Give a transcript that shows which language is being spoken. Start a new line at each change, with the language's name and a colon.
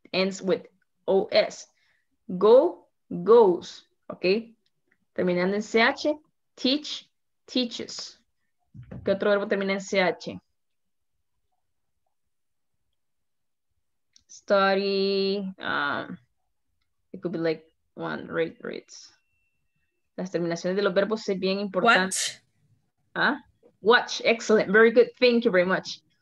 English: ends with OS. Go, goes, okay?
Spanish: Terminando en CH, teach, teaches. ¿Qué otro verbo termina en CH?
English: Study, it could be like one, read, reads.
Spanish: Las terminaciones de los verbos es bien importante.
English: Watch. ¿Ah? Watch, excellent, very good, thank you very much.